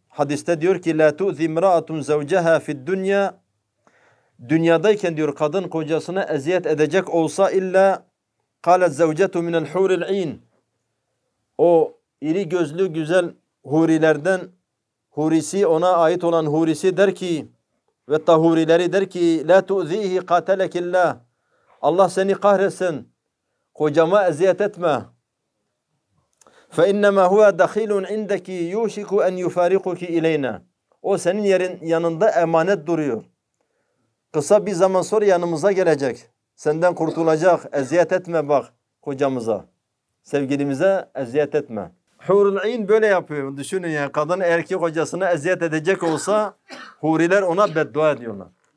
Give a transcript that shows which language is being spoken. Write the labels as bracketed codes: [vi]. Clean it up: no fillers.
[tr] Hadiste diyor ki [ar] la tu'zi imra'atun zawcaha fi'd-dunya, [tr] dünyadayken diyor kadın kocasına eziyet edecek olsa [ar] illa qalat zawcatu min al-huril 'ayn, [tr] o iri gözlü güzel hurilerden hurisi, ona ait olan hurisi der ki ve tahurileri der ki [ar] la tu'zihi qatalak illah, [tr] Allah seni kahretsin, kocama eziyet etme. [ar] فَإِنَّمَا هُوَ دَخِيلٌ عِنْدَكِ يُوشِكُ أَنْ يُفَارِقُكِ اِلَيْنَا, [tr] o senin yerin yanında emanet duruyor. Kısa bir zaman sonra yanımıza gelecek. Senden kurtulacak. Eziyet etme bak kocamıza. Sevgilimize eziyet etme. Hurul İn böyle yapıyor. Düşünün ya, kadın eğer ki kocasına eziyet edecek olsa huriler ona beddua ediyorlar.